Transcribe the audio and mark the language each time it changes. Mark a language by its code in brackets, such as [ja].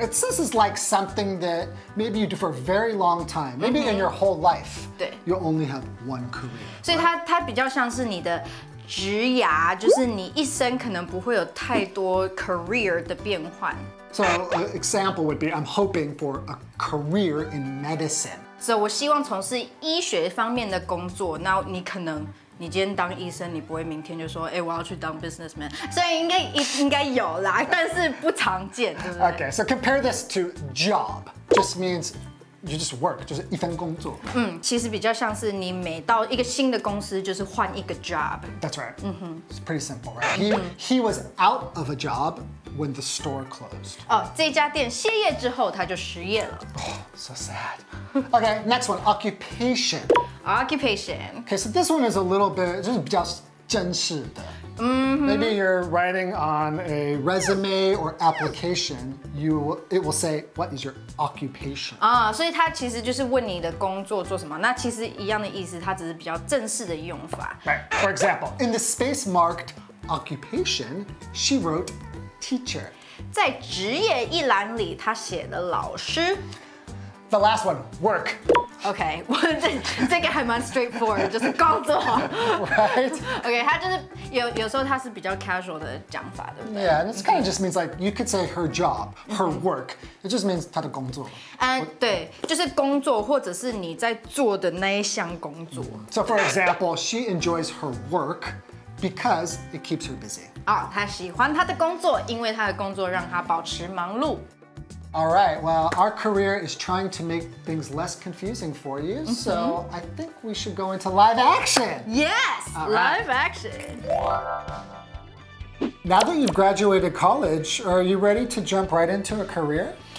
[en] This is like something that maybe you do for a very long time. Maybe in your whole life. [zh] 对 [en] ，you only have one career. [zh] 所以它比较像是你的职涯，就是你一生可能不会有太多 career 的变换。 [en] So an example would be I'm hoping for a career in medicine. [zh] So 我希望从事医学方面的工作。那你可能。你今天当医生，你不会明天就说，欸，我要去当 businessman， 所以应该有啦，但是不常见，对不对 [en] ？Okay, so compare this to job, just means you just work, [zh] 就是一份工作。其实比较像是你每到一个新的公司，就是换一个 job。 [en] That's right. It's pretty simple, right? He was out of a job when the store closed. [zh] 哦，这家店歇业之后，他就失业了。 [en] Oh, so sad. Okay, next one, occupation. Occupation. Okay, so this one is a little bit, just [zh] 比较真实的。 [en] Maybe you're writing on a resume or application. It will say, what is your occupation? [zh] 所以它其实就是问你的工作做什么。那其实一样的意思，它只是比较正式的用法。 [en] Right. For example, in the space marked occupation, she wrote teacher. [zh] 在职业一栏里，她写的老师。 [en] The last one, work. [zh] Okay, 这个还蛮 straightforward, 就是工作。 [en] Right? [zh] Okay, 它就是有时候它是比较 casual 的讲法，对不对？ [en] Yeah, and it's kind of just means like, you could say her job, her work. It just means [zh] 她的工作。对，就是工作或者是你在做的那一项工作。 [en] So for example, she enjoys her work because it keeps her busy. [zh] 她喜欢她的工作，因为她的工作让她保持忙碌。 [en] All right, well, our career is trying to make things less confusing for you,、mm-hmm. so I think we should go into live action. Yes,、All、live、right. action. Now that you've graduated college, are you ready to jump right into a career?